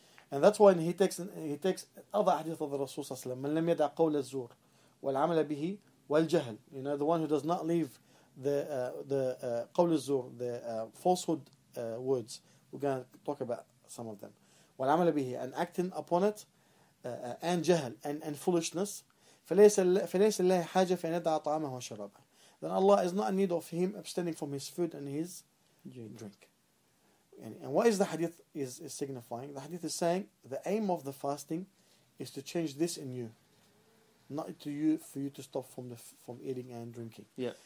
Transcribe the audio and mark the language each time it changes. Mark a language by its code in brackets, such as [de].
[en] And that's why he takes other hadith of the Rasul sallallahu alayhi wa sallam, [ar] مَنْ لَمْ يَدَعْ قَوْلَ الزُّورِ وَالْعَمَلَ بِهِ وَالْجَهَلِ. [en] You know, the one who does not leave the [ar] قَوْلَ الزُّورِ, [en] the falsehood words. We're going to talk about some of them. [ar] وَالْعَمَلَ بِهِ, [en] and acting upon it, and [ar] جَهَلِ, [en] and foolishness. [ar] فليس الله حاجة في أن يدع طعامه وشرابه. [en] Then Allah is not in need of him abstaining from his food and his drink. And what is the hadith is signifying? The hadith is saying the aim of the fasting is to change this in you, not to you for you to stop from eating and drinking. Yeah.